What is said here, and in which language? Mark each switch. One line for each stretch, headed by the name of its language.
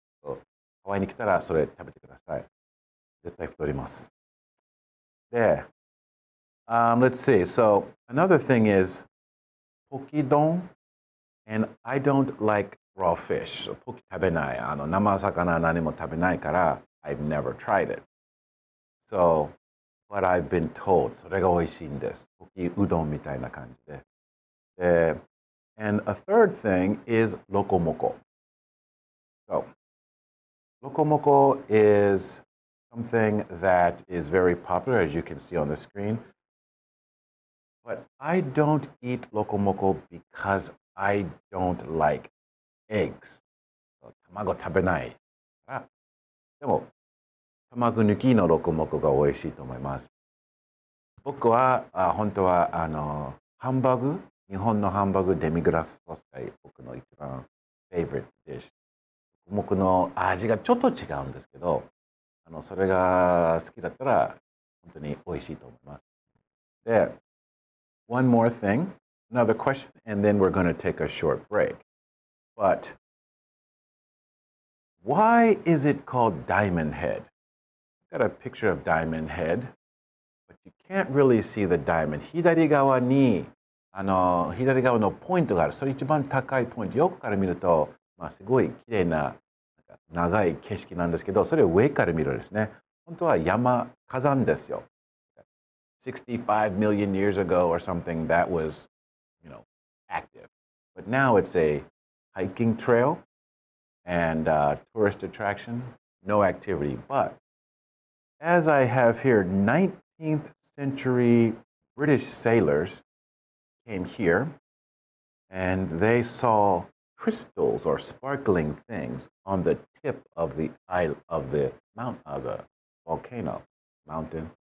Japanese: ハワイに来たらそれ食べてください。絶対太ります。で、
English: let's see. So, another thing is poke丼 and I don't like raw fish.
Japanese: So, poke 食べない。あの生魚何も食べないから
English: I've never tried it. So, but I've been told
Japanese: それが美味しいんです。ポキうどんみたいな感じで。
English: で、And a third thing is lokomoko. So, lokomoko is something that is very popular, as you can see on the screen. But I don't eat lokomoko because I don't like eggs.
Japanese: So, tamago tabenai. Demo, tamago nuki no lokomoko ga oishii to omaimasu. Boku wa, hontou wa, hanbaku? 日本のハンバーグデミグラスソースが僕の一番フェイブリッドディッシュ。僕の味がちょっと違うんですけど、それが好きだったら本当に美味しいと思います。
English: で、one more thing, another question, and then we're going to take a short break. But, why is it called Diamond Head? I've got a picture of Diamond Head, but you can't really see the diamond.
Japanese: 左側に左側のポイントがある。それ一番高いポイント。横から見ると、まあ、すごい綺麗な、なんか長い景色なんですけど、それを上から見るとですね。本当は山、火山ですよ。
English: 65 million years ago or something, that was, you know, active. But now it's a hiking trail and a tourist attraction. No activity. But, as I have here, 19th century British sailors,came here and they saw crystals or sparkling things on the tip of the isle of the mountain, the volcano mountain.